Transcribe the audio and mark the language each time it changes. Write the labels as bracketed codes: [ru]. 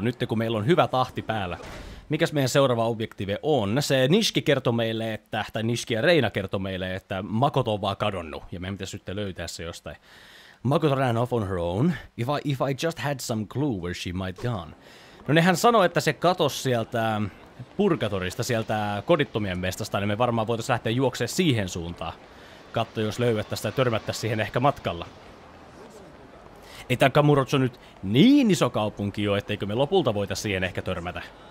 [fi] Nyt kun meillä on hyvä tahti päällä. Mikäs meidän seuraava objektiive on? Se Nishiki kertoi meille, että, tai Nishiki ja Reina kertoi meille, että Makoto on vaan kadonnut. Ja meidän pitäisi sitten löytää se jostain. [en] Makoto ran off on her own. If I just had some clue where she might gone. [fi] No nehän sanoi, että se katosi sieltä purgatorista, sieltä kodittomien mestasta, niin me varmaan voitaisiin lähteä juoksemaan siihen suuntaan. Katso, jos löydettäisiin tai törmättäisiin siihen ehkä matkalla. Ei tämä Kamurocho nyt niin iso kaupunki jo, etteikö me lopulta voitaisiin siihen ehkä törmätä.